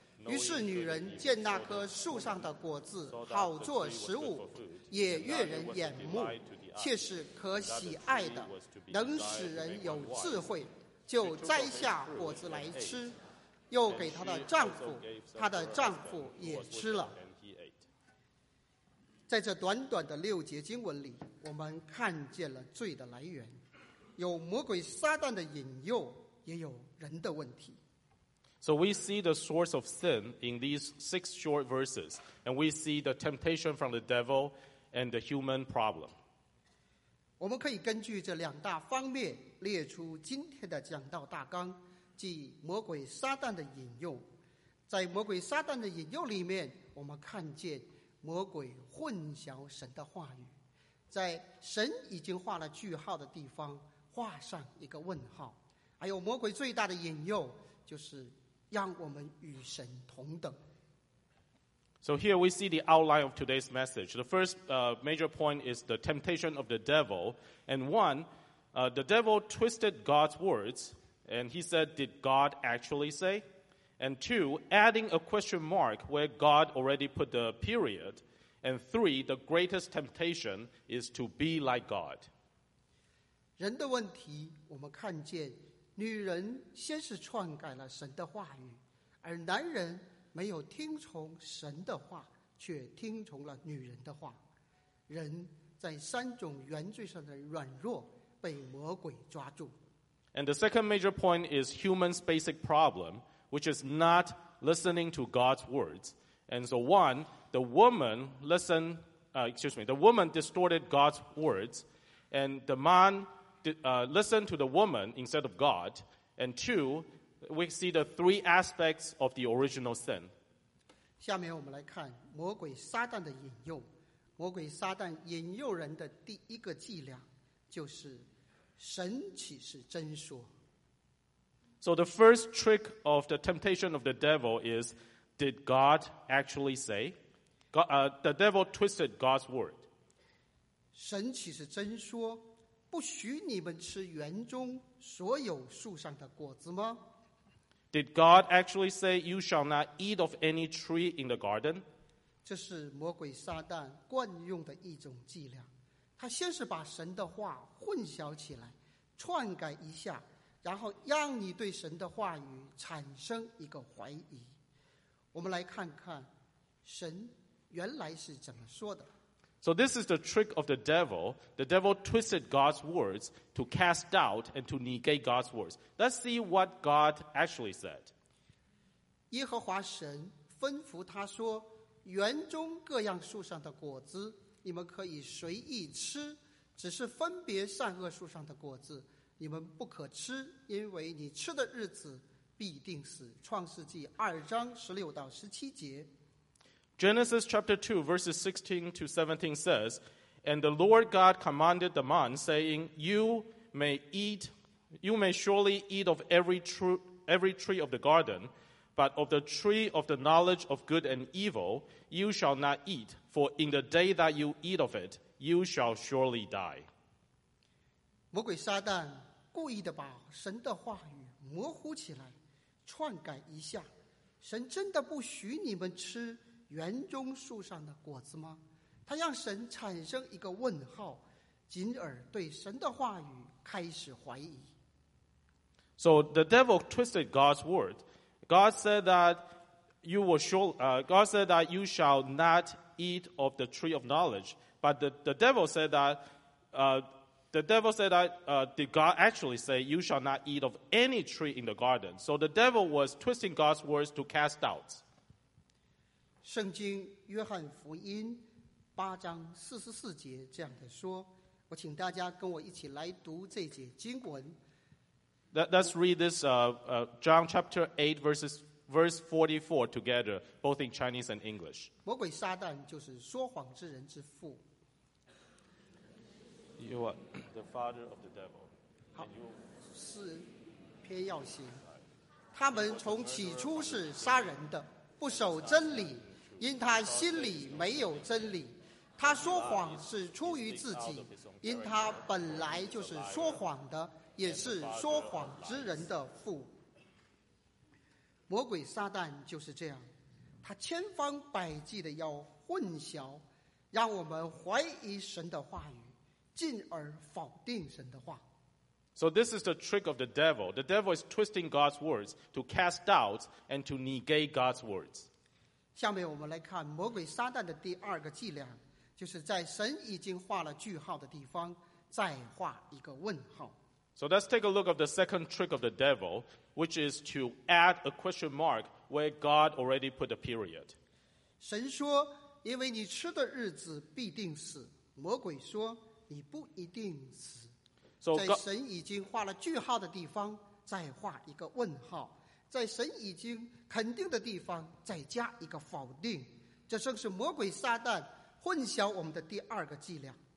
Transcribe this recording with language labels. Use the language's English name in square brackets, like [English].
[Chinese] 于是女人见那棵树上的果子好做食物，也悦人眼目，却是可喜爱的，能使人有智慧，就摘下果子来吃，又给她的丈夫，她的丈夫也吃了。在这短短的六节经文里，我们看见了罪的来源，有魔鬼撒旦的引诱，也有人的问题。 [English] So we see the source of sin in these six short verses, and we see the temptation from the devil and the human problem. [Chinese] 我们可以根据这两大方面列出今天的讲道大纲，即魔鬼撒旦的引诱。在魔鬼撒旦的引诱里面，我们看见魔鬼混淆神的话语，在神已经画了句号的地方画上一个问号，还有魔鬼最大的引诱就是让我们与神同等。 [English] So here we see the outline of today's message. The first major point is the temptation of the devil. And one, the devil twisted God's words. And he said, did God actually say? And two, adding a question mark where God already put the period. And three, the greatest temptation is to be like God. [Chinese] 人的问题，我们看见女人先是篡改了神的话语，而男人没有听从神的话，却听从了女人的话。人在三种原罪上的软弱被魔鬼抓住。 [English] And the second major point is human's basic problem, which is not listening to God's words. And so one, the woman distorted God's words, and the manlisten to the woman instead of God. And two, we see the three aspects of the original sin. [Chinese] 下面我们来看魔鬼撒旦的引诱。魔鬼撒旦引诱人的第一个伎俩就是神岂是真说。 [English] So the first trick of the temptation of the devil is, did God actually say? The devil twisted God's word. [Chinese] 神岂是真说？不许你们吃园中所有树上的果子吗？ [English] Did God actually say you shall not eat of any tree in the garden? [Chinese] 这是魔鬼撒旦惯用的一种伎俩。他先是把神的话混淆起来，篡改一下，然后让你对神的话语产生一个怀疑。我们来看看神原来是怎么说的。 [English] So this is the trick of the devil. The devil twisted God's words to cast doubt and to negate God's words. Let's see what God actually said. [Chinese] 耶和华神吩咐他说，园中各样树上的果子，你们可以随意吃，只是分别善恶树上的果子，你们不可吃，因为你吃的日子必定死。创世纪二章十六到十七节。 [English] Genesis chapter 2, verses 16 to 17 says, And the Lord God commanded the man, saying, You may surely eat of every tree of the garden, but of the tree of the knowledge of good and evil you shall not eat, for in the day that you eat of it, you shall surely die. [Chinese] 魔鬼撒旦故意地把神的话语模糊起来，篡改一下，神真的不许你们吃园中树上的果子吗？他让神产生一个问号，进而对神的话语开始怀疑。 [English] So the devil twisted God's word. God said that you shall not eat of the tree of knowledge. But did God actually say you shall not eat of any tree in the garden? So the devil was twisting God's words to cast doubts. [Chinese] 圣经约翰福音八章四十四节这样的说，我请大家跟我一起来读这节经文。 [English] Let's read this John chapter 8 verse 44 together, both in Chinese and English. [Chinese] 魔鬼撒旦就是说谎之人之父， [English] you are the father of the devil. [Chinese] 好，是偏要行。他们从起初是杀人的，不守真理，因他心里没有真理。他说谎是出于自己，因他本来就是说谎的，也是说谎之人的父。魔鬼撒旦就是这样，他千方百计的要混淆，让我们怀疑神的话语，进而否定神的话。 [English] So this is the trick of the devil. The devil is twisting God's words to cast doubts and to negate God's words. [Chinese] 下面我们来看魔鬼撒旦的第二个伎俩，就是在神已经画了句号的地方再画一个问号。 [English] So let's take a look at the second trick of the devil, which is to add a question mark where God already put a period. [Chinese] 神说，因为你吃的日子必定死。魔鬼说，你不一定死。 [English] So, [Chinese] 在神已经画了句号的地方再画一个问号，在神已经肯定的地方再加一个否定，这正是魔鬼撒旦混淆我们的第二个伎俩。